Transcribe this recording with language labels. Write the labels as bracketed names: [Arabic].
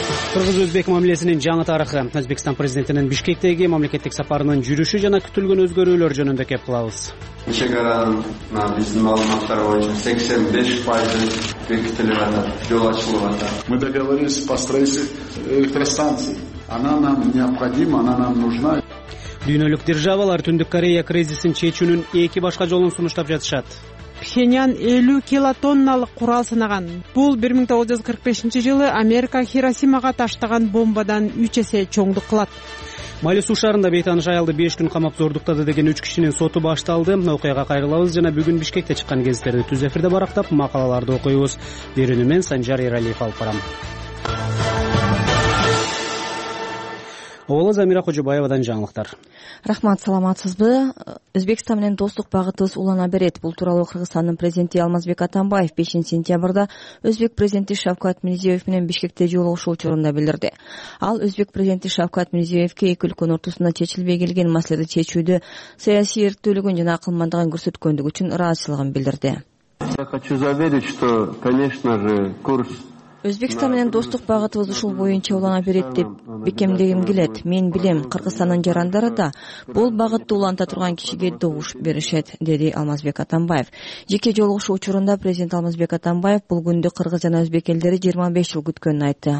[Kyrgyz] Кыргыз-өзбек мамилесинин жаңы тарыхы, Өзбекстан президентинин Бишкектеги мамлекеттик сапарынын жүрүшү жана күтүлгөн өзгөрүүлөр жөнүндө кеп кылабыз. Чекаранын биздин маалыматтар боюнча 85% бекитилип атат, жол ачылып атат. [Russian] Мы договорились по строительству электростанции. Она нам необходима, она нам нужна. [Kyrgyz] Дүйнөлүк державалар Түндүк Корея кризисин чечүүнүн эки башка жолун сунуштап жатышат. Пхеньян 50 килотонналык курал сынаган. Бул 1945 жылы Америка Хиросимага таштаган бомбадан 3 эсе чоңдук кылат. Мали Суу шаарында бейтааныш аялды 5 күн камап зордуктады деген 3 кишинин соту башталды. Окуяга кайрылабыз жана бүгүн Бишкекте чыккан кезлерди түз эфирде барактап макалаларды окуйбуз. Берүүнү мен Санжар Эралиев алып барам. Оола Замира Кожобаевадан жаңылыктар. Рахмат, саламатсызбы. Өзбекстан менен достук багытыбыз улана берет. Бул тууралуу Кыргызстандын президенти Алмазбек Атамбаев 5 сентябрда Өзбек президенти Шавкат Мирзиёев менен Бишкекте жолугушуу учурунда билдирди. Ал Өзбек президенти Шавкат Мирзиёевке эки өлкөнүн ортосунда чечилбей келген маселелерди чечүүдө саясий эрттөөлүгүн жана акылмандыгын көрсөткөндүгү үчүн ыраазычылыгын билдирди. [Russian] Я хочу заверить, что, конечно же, курс [Kyrgyz] Өзбекстан менен достук багытыбыз ушул боюнча улана берет деп бекемдегим келет. Мен билем, Кыргызстандын жарандары да бул багытты уланта турган кишиге добуш беришет, деди Алмазбек Атамбаев. Жеке жолугушуу учурунда президент Алмазбек Атамбаев бул күндү кыргыз жана өзбек элдери 25 жыл күткөнүн айтты.